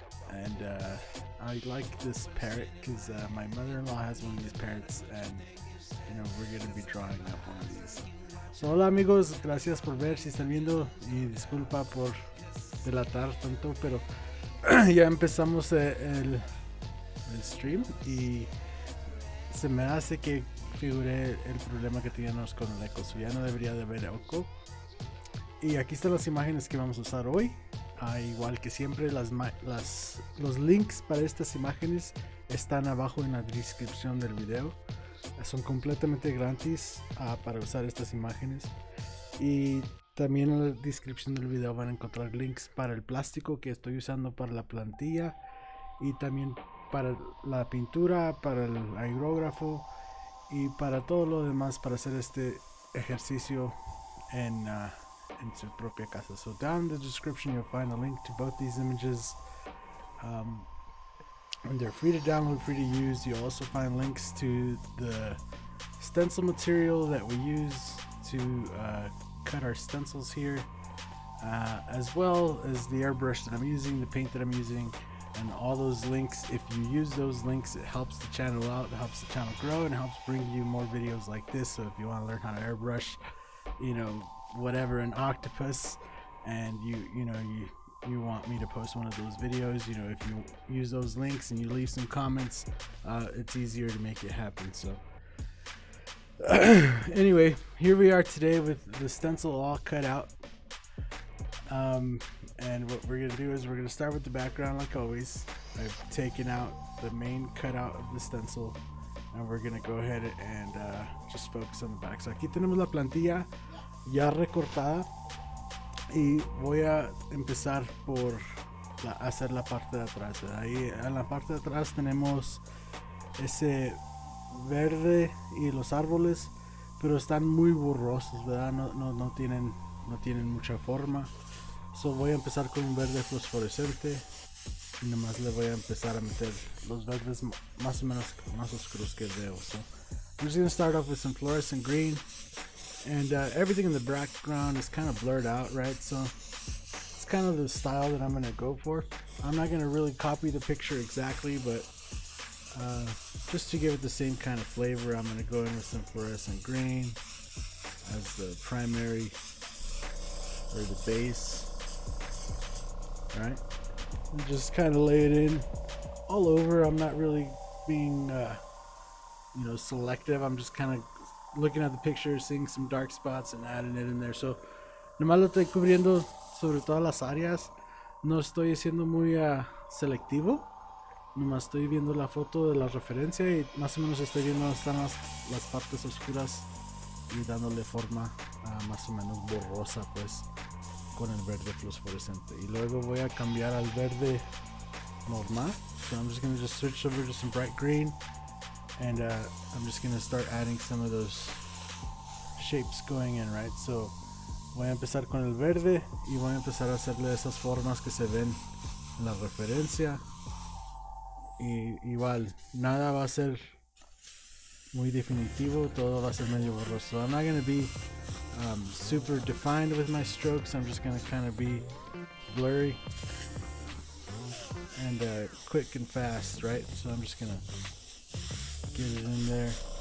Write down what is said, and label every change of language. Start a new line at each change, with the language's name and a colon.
English: And I like this parrot because my mother-in-law has one of these parrots, and you know, we're going to be drawing up one of these.
Spanish: So hola amigos, gracias por ver si están viendo y disculpa por delatar tanto, pero ya empezamos el stream y se me hace que figure el problema que teníamos con el eco, so ya no debería de haber eco. Y aquí están las imágenes que vamos a usar hoy. Igual que siempre, los links para estas imágenes están abajo en la descripción del video. Son completamente gratis para usar estas imágenes. Y también en la descripción del video van a encontrar links para el plástico que estoy usando para la plantilla. Y también para la pintura, para el aerógrafo y para todo lo demás para hacer este ejercicio en su propia casa.
English: So down in the description you'll find a link to both these images. And they're free to download, free to use. You'll also find links to the stencil material that we use to cut our stencils here, as well as the airbrush that I'm using, the paint that I'm using, and all those links. If you use those links, it helps the channel out, it helps the channel grow, and helps bring you more videos like this. So if you want to learn how to airbrush, you know, whatever, an octopus, and you want me to post one of those videos, you know, if you use those links and you leave some comments, it's easier to make it happen. So anyway, here we are today with the stencil all cut out. And what we're gonna do is we're gonna start with the background like always. I've taken out the main cutout of the stencil, and we're gonna go ahead and just focus on the back.
Spanish: So aquí tenemos la plantilla ya recortada, y voy a empezar por hacer la parte de atrás. Ahí en la parte de atrás tenemos ese verde y los árboles, pero están muy borrosos, ¿verdad? No tienen mucha forma. So voy a empezar con un verde fosforescente y nomás le voy a empezar a meter los verdes más o menos más oscuros que veo.
English: So I'm just gonna start off with some fluorescent green, and everything in the background is kind of blurred out, right? So it's kind of the style that I'm gonna go for. I'm not gonna really copy the picture exactly, but just to give it the same kind of flavor, I'm gonna go in with some fluorescent green as the primary or the base. Right, and just kind of lay it in all over. I'm not really being you know, selective. I'm just kind of looking at the picture, seeing some dark spots and adding it in there.
Spanish: So nomás lo estoy cubriendo sobre todas las áreas, no estoy siendo muy selectivo, nomás estoy viendo la foto de la referencia y más o menos estoy viendo están las partes oscuras y dándole forma más o menos borrosa pues con el verde fluorescente. Y luego voy a cambiar al verde normal.
English: So I'm just gonna just switch over to some bright green, and I'm just gonna start adding some of those shapes going in, right?
Spanish: So voy a empezar con el verde y voy a empezar a hacerle esas formas que se ven en la referencia. Y igual, nada va a ser muy definitivo, todo va a ser medio borroso.
English: So I'm not gonna be super defined with my strokes. I'm just gonna kind of be blurry and quick and fast, right? So I'm just gonna get it in there.